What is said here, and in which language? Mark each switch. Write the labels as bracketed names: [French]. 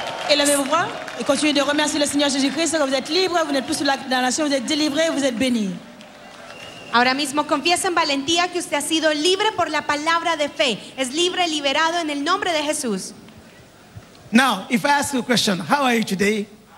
[French] Élevez vos voix et continuez de remercier le Seigneur Jésus-Christ. Vous êtes libre. Vous n'êtes plus sous la condamnation. Vous êtes délivré. Vous êtes béni. [Spanish] Ahora mismo confiesa en valentía que usted ha sido libre por la palabra de fe. Es libre, liberado en el nombre de Jesús. [English] Now, if I ask you a question, how are you today?